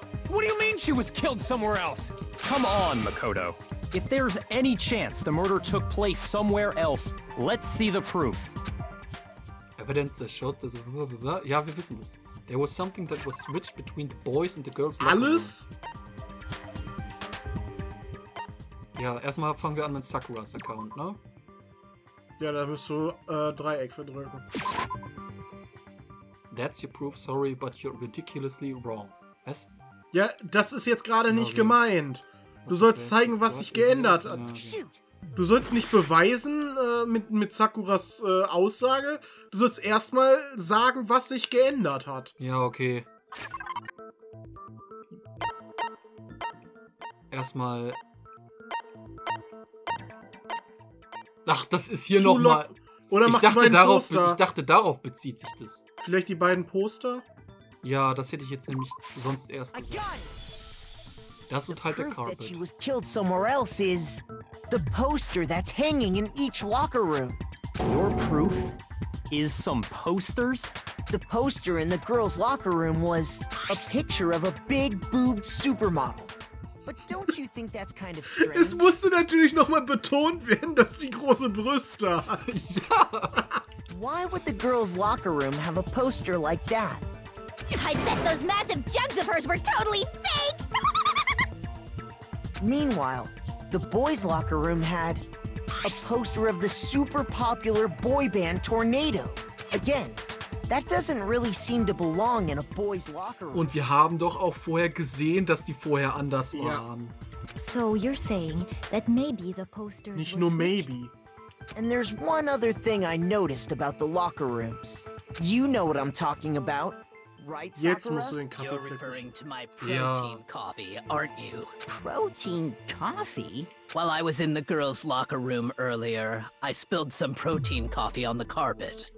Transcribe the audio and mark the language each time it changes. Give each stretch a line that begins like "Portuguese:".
English: What do you mean she was killed somewhere else? Come on, Makoto. If there's any chance the murder took place somewhere else, let's see the proof. Evidence that showed that...
German: Ja, wir wissen das.
English: There was something that was switched between the boys and the girls.
German: Alles? Ja, erstmal fangen wir an mit Sakuras Account, ne? Ja, da musst du Dreieck verdrücken.
English: That's your proof, sorry, but you're ridiculously wrong.
German: Was? Ja, das ist jetzt gerade nicht gemeint. Du sollst zeigen, was sich geändert hat. Du sollst nicht beweisen mit Sakuras Aussage. Du sollst erstmal sagen, was sich geändert hat. Ja, okay. Erstmal. Ach, das ist hier nochmal. Oder mach ich dachte, darauf bezieht sich das. Vielleicht die beiden Poster? Ja, das hätte ich jetzt nämlich sonst erst gesehen. Das und halt der Carpet.
English: That she was killed somewhere else is the poster that's hanging in each locker room. Your proof is some posters? The poster in the girls' locker room was a picture of a big boobed supermodel. But don't you think that's kind of strange?
German: Es musste natürlich nochmal betont werden, dass die große Brüste hat.
English: Why would the girls' locker room have a poster like that? I bet those massive jugs of hers were totally fake! Meanwhile, the boys' locker room had a poster of the super popular boy band Tornado. Again, that doesn't really seem to belong in a boys' locker room.
German: Und wir haben doch auch vorher gesehen, dass die vorher anders waren.
English: Yeah. So you're saying that maybe the poster
German: Nicht nur maybe.
English: And there's one other thing I noticed about the locker rooms. You know what I'm talking about. Right,
German: jetzt musst du den Kaffee
English: You're referring to my protein coffee, aren't you? Protein coffee? While I was in the girls' locker room earlier, I spilled some protein coffee on the carpet.